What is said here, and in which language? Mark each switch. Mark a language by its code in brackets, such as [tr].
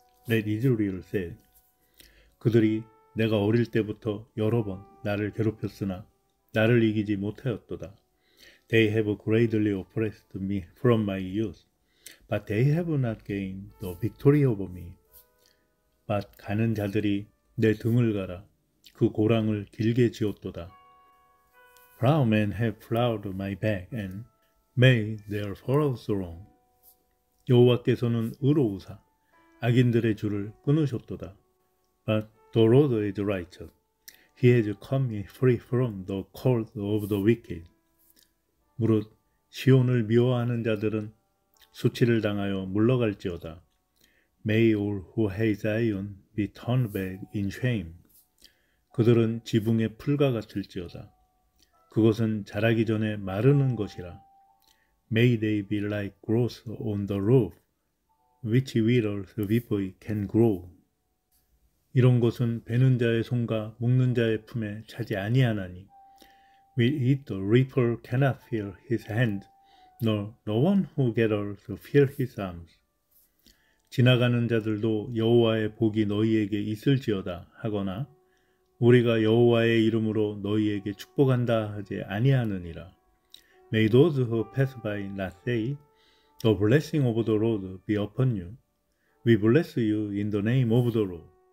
[en] Let Israel say [ko] 그들이 내가 어릴 때부터 여러 번 나를 괴롭혔으나 나를 이기지 못하였도다. [en] They have greatly oppressed me from my youth. But they have not gained the victory over me. [ko] But 가는 자들이 내 등을 갈아 그 고랑을 길게 지었도다. [en] Proud men have plowed my back and made their furrows long. [ko] 여호와께서는 의로우사 악인들의 줄을 끊으셨도다. [en] But the Lord is righteous. He has cut me free from the cords of the wicked. [ko] 무릇 시온을 미워하는 자들은 수치를 당하여 물러갈지어다. [en] May all who hate Zion be turned back in shame. [ko] 그들은 지붕의 풀과 같을지어다. 그것은 자라기 전에 마르는 것이라. [en] May they be like grass on the roof, which withers before it can grow. [ko] 이런 것은 베는 자의 손과 묶는 자의 품에 차지 아니하나니. [en] Will eat the reaper cannot feel his hand. Nor no one who gathers fear his arms. [ko] 지나가는 자들도 여호와의 복이 너희에게 있을지어다 하거나 우리가 여호와의 이름으로 너희에게 축복한다 하지 아니하느니라. [en] May those who pass by not say, The blessing of the Lord be upon you. We bless you in the name of the Lord.